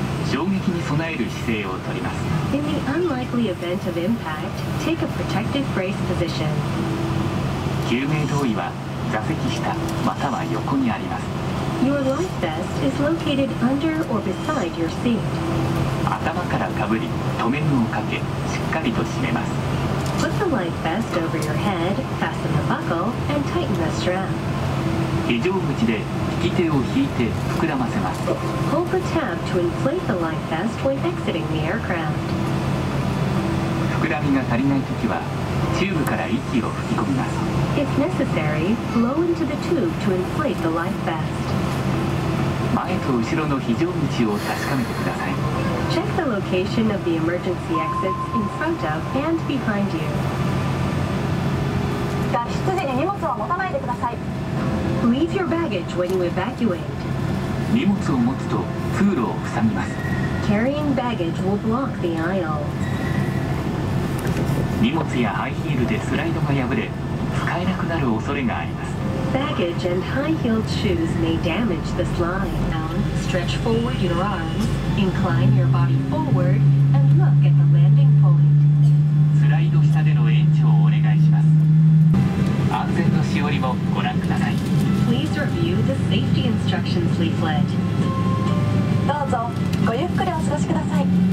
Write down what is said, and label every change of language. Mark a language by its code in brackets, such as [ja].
[ja] 衝撃に備える姿勢をとります。 [en] In the unlikely event of impact, take a protective brace position. [ja] 救命胴衣は座席下または横にあります。 [en] Your life vest is located under or beside your seat. [ja] 頭からかぶり、留め具をかけ、しっかりと締めます。 [en] Put the life vest over your head, fasten the buckle, and tighten the strap. [ja] 非常口で引き手を引いて膨らませます。 [en] Hold the tab to inflate the life vest when exiting the aircraft. [ja] 膨らみが足りないときは、チューブから息を吹き込みます。 [en] If necessary, blow into the tube to inflate the life vest. [ja] 前と後ろの非常口を確かめてください。 [en] Check the location of the emergency exits in front of and behind you. [ja] 脱出時に荷物は持たないでください。 [en] Leave your baggage when you evacuate. [ja] 荷物を持つと通路を塞ぎます。 [en] Carrying baggage will block the aisle. [ja] 荷物やハイヒールでスライドが破れ、使えなくなる恐れがあります。 [en] Baggage and high-heeled shoes may damage the slide. Stretch forward your arms. Incline your body forward and look at the landing point. [ja] スライド下での延長をお願いします。安全のしおりもご覧ください。 [en] Please review the safety instructions leaflet. [ja] どうぞごゆっくりお過ごしください。